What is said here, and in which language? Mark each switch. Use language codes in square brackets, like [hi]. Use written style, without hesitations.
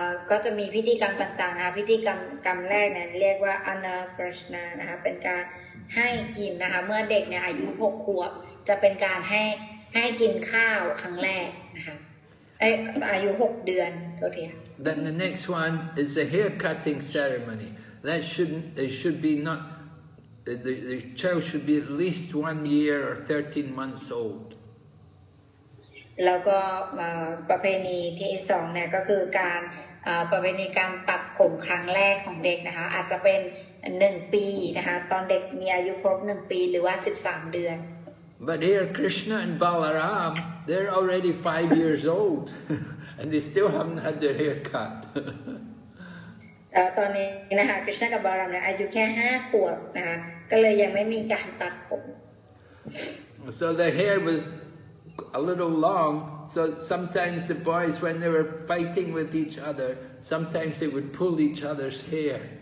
[th] ก็จะมีพิธีกรรมต่างๆนะพิธีกรรมแรกเนี่ยเรียกว่าอานาปัชนานะคะเป็นการให้กินนะคะเมื่อเด็กเนี่ยอายุ6ขวบจะเป็นการให้กินข้าวครั้งแรกนะคะอายุ6เดือนโทษที [en] Then the next one is the hair cutting ceremony that should be not the child should be at least 1 year or 13 months old [th] แล้วก็ประเพณีที่สองเนี่ยก็คือการประเพณีการตัดผมครั้งแรกของเด็กนะคะอาจจะเป็น1ปีนะคะตอนเด็กมีอายุครบ1ปีหรือว่า13เดือน [en] But here Krishna and Balaram they're already 5 years old and they still haven't had their hair cut [th] ตอนนี้นะคะ Krishna กับ Balaram เนี่ยอายุแค่5ขวบนะคะก็เลยยังไม่มีการตัดผม [en] So the hair wasa little long, so sometimes the boys, when they were fighting with each other, sometimes they would pull each other's hair.